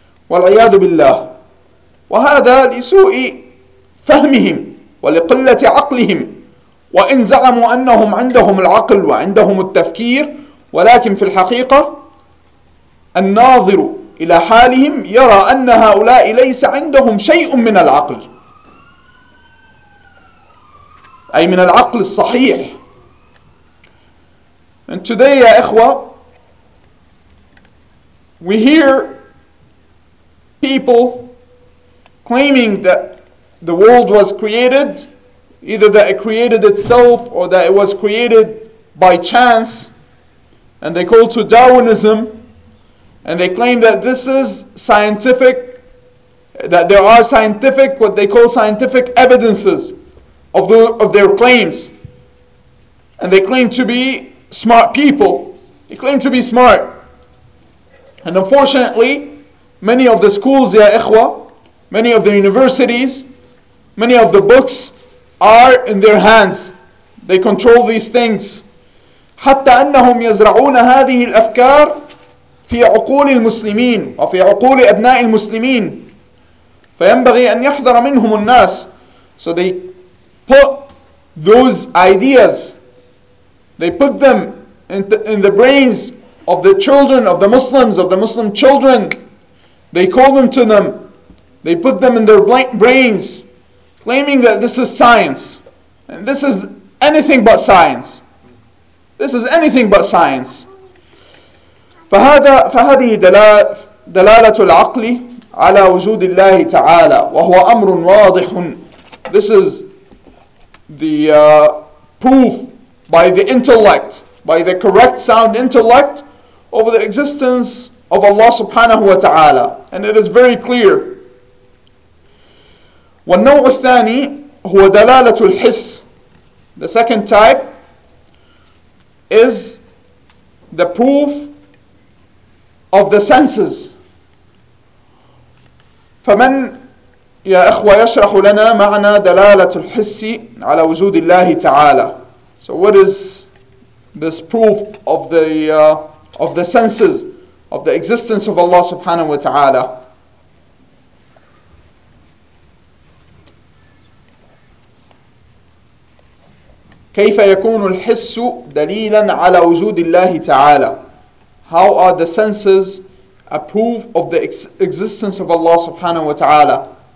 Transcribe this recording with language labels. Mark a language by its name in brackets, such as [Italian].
[Arabic] والعياذ بالله، وهذا لسوء فهمهم ولقلة عقلهم، وإن زعموا أنهم عندهم العقل وعندهم التفكير، ولكن في الحقيقة الناظر إلى حالهم يرى أن هؤلاء ليس عندهم شيء من العقل، أي من العقل الصحيح. [English] And today, يا إخوة, we hear people claiming that the world was created, either that it created itself or that it was created by chance, and they call to Darwinism, and they claim that this is scientific, that there are scientific, what they call scientific evidences of their claims, and they claim to be smart people. They claim to be smart, and unfortunately, many of the schools, ya ikhwa, many of the universities, many of the books are in their hands. They control these things. [Arabic] حتى أنهم يزرعون هذه الأفكار في عقول المسلمين وفي عقول أبناء المسلمين. فينبغي أن يحذر منهم الناس. [English] So they put those ideas. They put them in the brains of the children, of the Muslims, of the Muslim children. They call them to them. They put them in their brains, claiming that this is science. And this is anything but science. This is anything but science. [Arabic] فهذه دلالة العقل على وجود الله تعالى وهو أمر واضح. [English] This is the proof by the intellect, by the correct sound intellect, over the existence of Allah subhanahu wa ta'ala. And it is very clear. [Arabic] والنوع الثاني هو دلالة الحس. [English] The second type is the proof of the senses. [Arabic] فمن يا إخوة يشرح لنا معنى دلالة الحس على وجود الله تعالى. [English] So what is this proof of the senses, of the existence of Allah subhanahu wa ta'ala? [Arabic] كيف يكون الحس دليلا على وجود الله تعالى؟ [English] How are the senses a proof of the existence of Allah subhanahu wa ta'ala?